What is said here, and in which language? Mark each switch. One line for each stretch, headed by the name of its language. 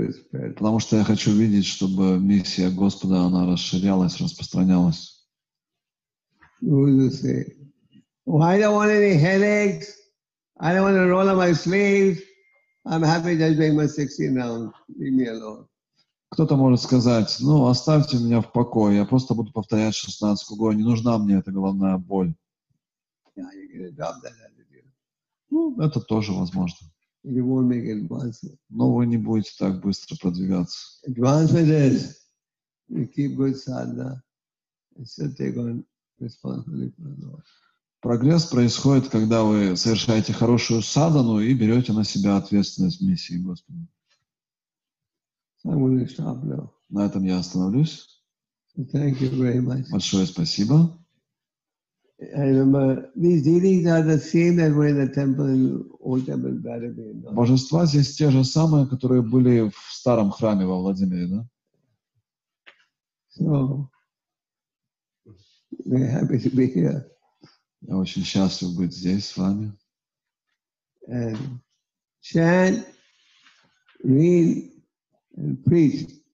Russian: Потому что я хочу видеть, чтобы миссия Господа, она расширялась, распространялась.
English: Who would say, oh, I don't want any headaches. I don't want to roll up my sleeves. I'm happy just doing my 16 rounds. Leave me alone.
Russian: Кто-то может сказать, ну, оставьте меня в покое, я просто буду повторять 16 кругов, не нужна мне эта головная боль.
English: Yeah, you're gonna drop that attitude.
Russian: Ну, это тоже возможно.
English: You won't make advancement.
Russian: Но вы не будете так быстро продвигаться.
English: Advancement is you keep good sadhana and still take on responsibility for the Lord.
Russian: Прогресс происходит, когда вы совершаете хорошую садхану и берете на себя ответственность миссии Господа.
English: So I'm gonna stop now.
Russian: На этом я остановлюсь.
English: So thank you very much.
Russian: Большое спасибо.
English: I remember these deities are the same that were in the temple in old temple in Vladimir.
Russian: Божества здесь те же самые, которые были в старом храме во Владимире, да?
English: So we're happy to be here.
Russian: Я очень счастлив быть здесь с вами.
English: And chant, read, and preach.